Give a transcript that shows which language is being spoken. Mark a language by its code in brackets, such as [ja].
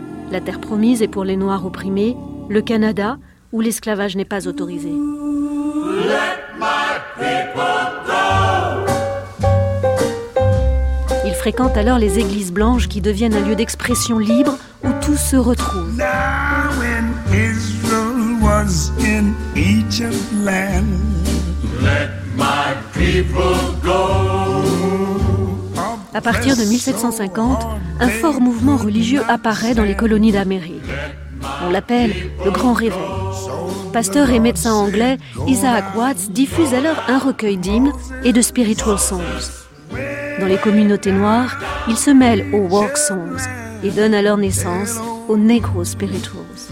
[fr] La terre promise est pour les Noirs opprimés, le Canada, où l'esclavage n'est pas autorisé. Il fréquente alors les églises blanches qui deviennent un lieu d'expression libre où tout se retrouve. [en] Now when Israel was in Egypt land, let my people go. [fr] À partir de 1750, un fort mouvement religieux apparaît dans les colonies d'Amérique. On l'appelle le Grand Réveil. Pasteur et médecin anglais, Isaac Watts diffuse alors un recueil d'hymnes et de spiritual songs. Dans les communautés noires, il se mêle aux work songs et donne alors naissance aux Negro spirituals.